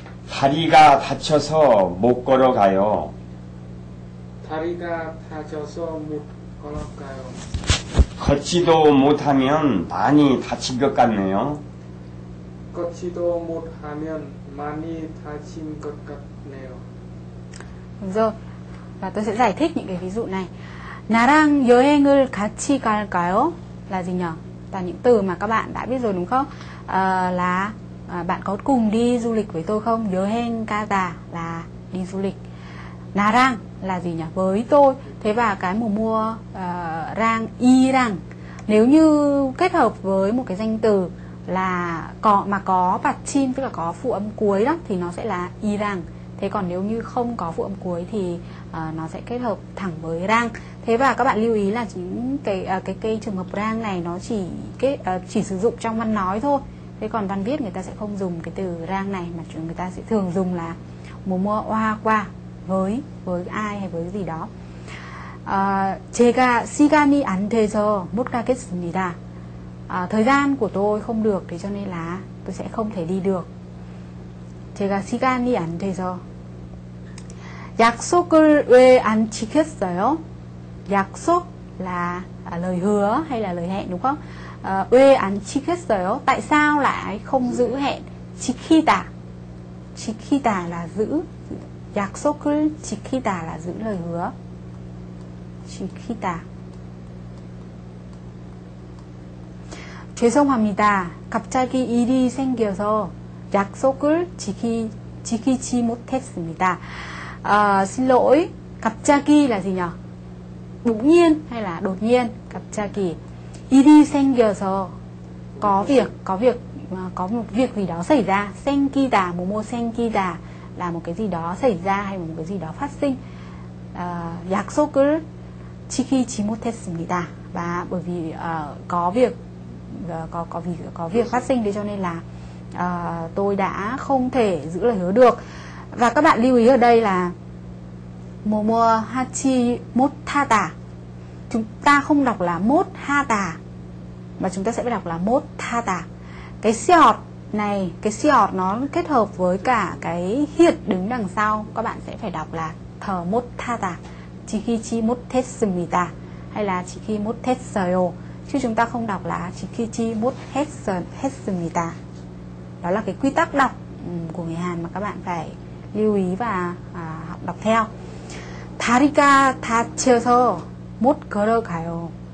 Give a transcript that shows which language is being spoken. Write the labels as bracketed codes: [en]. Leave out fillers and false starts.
[ko] 다리가 다쳐서 못 걸어가요. 다리가 다쳐서 못 걸어가요. 걷지도 못하면 많이 다친 것 같네요. 걷지도 못하면 많이 다친 것 같네요. [vi] Rồi, và tôi sẽ giải thích những cái ví dụ này. [ko] 나랑 여행을 같이 갈까요? [vi] Là gì nhỉ? Là những từ mà các bạn đã biết rồi đúng không? Là bạn có cùng đi du lịch với tôi không? Yoheng kata là đi du lịch. Narang là gì nhỉ? Với tôi. Thế và cái mùa mua rang, y rang. Nếu như kết hợp với một cái danh từ là có mà có bạch chim, tức là có phụ âm cuối đó, thì nó sẽ là y rang. Thế còn nếu như không có phụ âm cuối thì nó sẽ kết hợp thẳng với rang. Thế và các bạn lưu ý là những cái trường hợp rang này nó chỉ sử dụng trong văn nói thôi. Thế còn văn viết người ta sẽ không dùng cái từ rang này, mà người ta sẽ thường dùng là mùa mua hoa qua với ai hay với gì đó. [ko] 제가 시간이 안 돼서 못 가겠습니다. [vi] Thời gian của tôi không được, thế cho nên là tôi sẽ không thể đi được. [ko] 제가 시간이 안 돼서. 약속을 왜 안 지켰어요? [vi] 약속 là lời hứa hay là lời hẹn, đúng không? [ko] 왜 안 지켰어요? [vi] Tại sao lại không giữ hẹn? 지키다. 지키다 là giữ. [ko] 약속을 지키다 [vi] là giữ lời hứa. [ko] 지키다. 죄송합니다. 갑자기 일이 생겨서 약속을 지키지 못했습니다. [vi] Xin lỗi. 갑자기 là gì nhỉ? Bỗng nhiên hay là đột nhiên? [ko] 갑자기. 일이 생겨서 [vi] có một việc gì đó xảy ra. 생기다, [ko] 뭐뭐 생기다 [vi] là một cái gì đó xảy ra hay một cái gì đó phát sinh. [ko] 약속을 지키지 못했습니다. [vi] Và bởi vì có việc phát sinh, thế cho nên là tôi đã không thể giữ lời hứa được. Và các bạn lưu ý ở đây là [ko] 못하지 못하다. [vi] Chúng ta không đọc là 못하다 mà chúng ta sẽ đọc là 못하다. Cái siọt này, cái siọt nó kết hợp với cả cái hiện đứng đằng sau, các bạn sẽ phải đọc là 더 못하다. [ko] 지키지 못했습니다 [vi] hay là [ko] 지키 못했어요. [vi] Chứ chúng ta không đọc là [ko] 지키지 못했습니다. [vi] Đó là cái quy tắc đọc của người Hàn mà các bạn phải lưu ý và đọc theo. [ko] 다리가 다쳐서 못 걸어가요.